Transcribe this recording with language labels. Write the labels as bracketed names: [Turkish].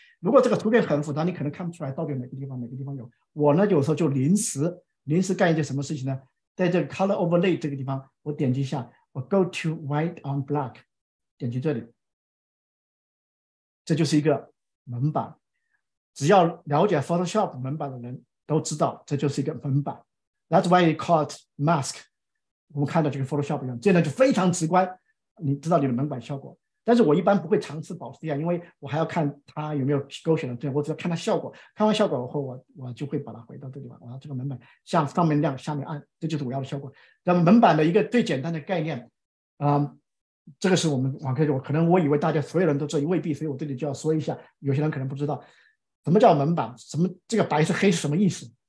[Chinese] 如果这个图片很复杂，你可能看不出来到底哪个地方有。我呢，有时候就临时干一件什么事情呢？在这个 color overlay 这个地方，我点击一下，我 [English] go to white on black， [Chinese] 点击这里，这就是一个门板。只要了解 Photoshop 门板的人都知道，这就是一个门板。 [English] That's why it's called mask。 [Chinese] 我们看到就跟 Photoshop 一样，这样就非常直观，你知道你的门板效果。但是我一般不会尝试保持这样，因为我还要看它有没有勾选的对，我只要看它效果，看完效果后我就会把它回到这里吧。我要这个门板向上面亮下面暗，这就是我要的效果。那么门板的一个最简单的概念，这个是我们网课，可能我以为大家所有人都知道，未必，所以我这里就要说一下，有些人可能不知道什么叫门板，什么这个白是黑是什么意思。